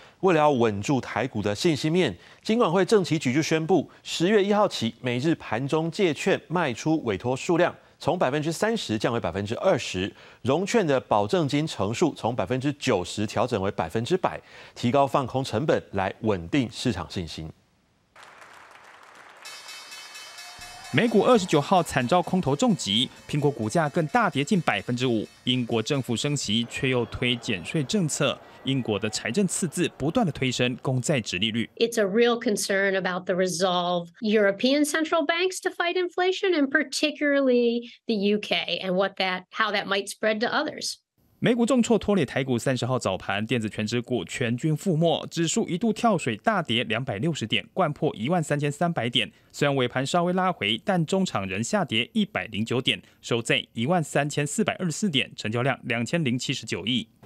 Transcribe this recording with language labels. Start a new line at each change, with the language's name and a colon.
Chinese: 为了要稳住台股的信心面，金管会政企局就宣布，10月1号起，每日盘中借券卖出委托数量从30%降为20%，融券的保证金成数从90%调整为100%，提高放空成本来稳定市场信心。美股29号惨遭空头重击，苹果股价更大跌近5%。英国政府升息，却又推减税政策。英国的财政赤字不断的推升公债殖利率。
English: It's a real concern about the resolve European central banks to fight inflation, and particularly the UK, and what that how that might spread to others.
Chinese: 美股重挫拖累台股，30号早盘电子全指股全军覆没，指数一度跳水大跌260点，灌破13300点。虽然尾盘稍微拉回，但中场仍下跌109点，收在13424点，成交量2079亿。